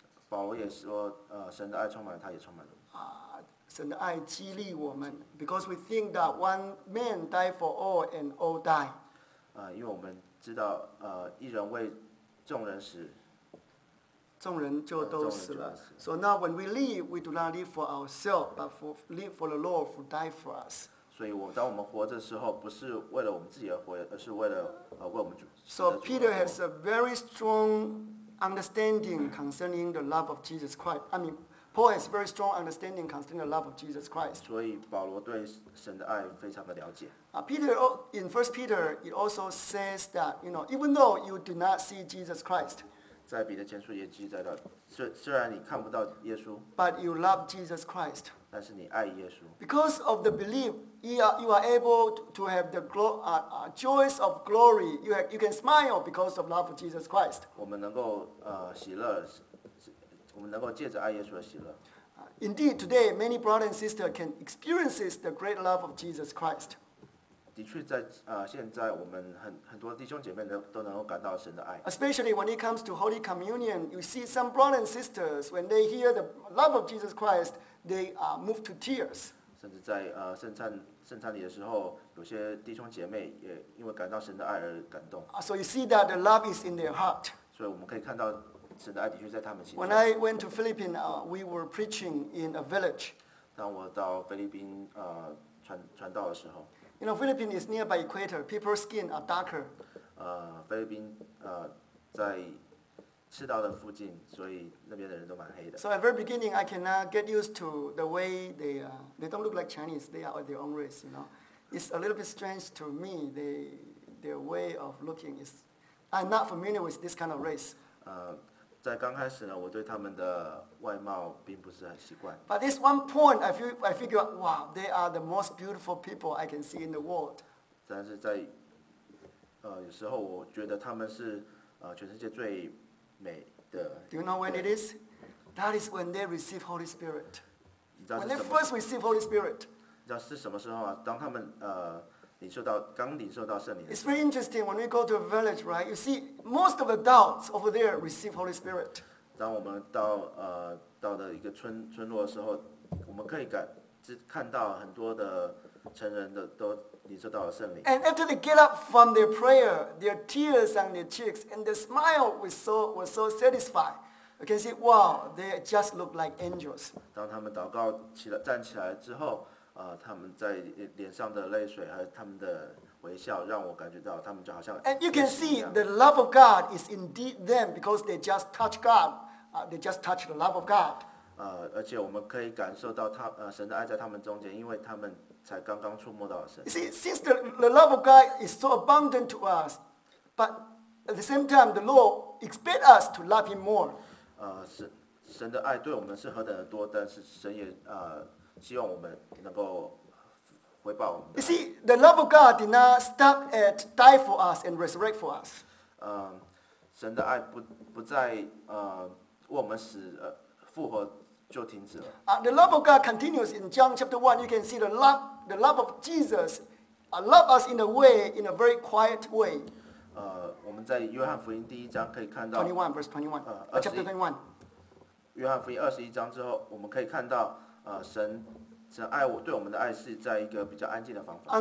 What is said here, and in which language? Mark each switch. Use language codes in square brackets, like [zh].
[zh] 保罗也说，神的爱充满了他，也充满了我。神的爱激励我们 [en] ，because we think that one man died for all and all die。 [zh] 因为我们知道，一人为众人死，众人就都死了。 [en] So now when we live, we do not live for ourselves, but live for the Lord who died for us。 [zh] 所以当我们活着的时候，不是为了我们自己而活，而是为了为我们主。 [en] So Peter has a very strong. Understanding concerning the love of Jesus Christ. I mean, Paul has very strong understanding concerning the love of Jesus Christ. [zh] 所以保罗对神的爱非常的了解。 [en] Peter in First Peter it also says that you know even though you do not see Jesus Christ. [zh] 在彼得前书也记载了，虽然你看不到耶稣 [en] ，but you love Jesus Christ。 [zh] 但是你爱耶稣。 [en] Because of the belief, you are able to have the joys of glory. You can smile because of love for Jesus Christ。 [zh] 我们能够喜乐，我们能够借着爱耶稣而喜乐。 [en] Indeed, today many brothers and sisters can experience the great love of Jesus Christ。 [zh] 的确在现在我们很多弟兄姐妹都能够感到神的爱。 [en] Especially when it comes to Holy Communion, you see some brothers and sisters when they hear the love of Jesus Christ, they are moved to tears。 [zh] 甚至在圣餐礼的时候，有些弟兄姐妹也因为感到神的爱而感动。 [en] So you see that the love is in their heart。 [zh] 所以我们可以看到神的爱的确在他们心中。 [en] When I went to Philippines, we were preaching in a village。 [zh] 当我到菲律宾传道的时候。 [en] You know, Philippines is near by equator. People's skin are darker. [zh] 菲律宾在赤道的附近，所以那边的人都蛮黑的。 [en] So at very beginning, I cannot get used to the way they don't look like Chinese. They are their own race. You know, it's a little bit strange to me. Their way of looking is I'm not familiar with this kind of race. [zh] 在刚开始呢，我对他们的外貌并不是很习惯。 [en] But this one point, I figure, wow, they are the most beautiful people I can see in the world. [zh] 但是在有时候我觉得他们是全世界最美的。 [en] Do you know when it is? That is when they receive Holy Spirit. When they first receive Holy Spirit. [zh] 你知道是什么时候啊？当他们刚领受到圣灵。 [en] It's very interesting when we go to a village, right? You see, most of the adults over there receive Holy Spirit. [zh] 当我们到了一个村落的时候，我们可以看到很多的成人的都领受到了圣灵。 [en] And after they get up from their prayer, their tears on their cheeks and their smile was so satisfied. You can see, wow, they just look like angels. [zh] 当他们祷告站起来之后。他们在脸上的泪水和他们的微笑，让我感觉到他们就好像。 [en] And you can see the love of God is indeed them because they just touch God. They just touch the love of God. [zh] 而且我们可以感受到神的爱在他们中间，因为他们才刚刚触摸到神。 [en] You see, since the love of God is so abundant to us, but at the same time, the Lord expects us to love Him more. [zh] 神的爱对我们是何等的多，但是神也希望我们能够回报我们的。 [en] You see, the love of God did not stop at die for us and resurrect for us. [zh] 神的爱不再为我们死复活就停止了。 [en] The love of God continues in John chapter 1. You can see the love of Jesus love us in a very quiet way. [zh] 我们在约翰福音第一章可以看到。 [en] 21 verse 21. Chapter 21. [zh] 约翰福音二十一章之后，我们可以看到。神爱我对我们的爱是在一个比较安静的方法。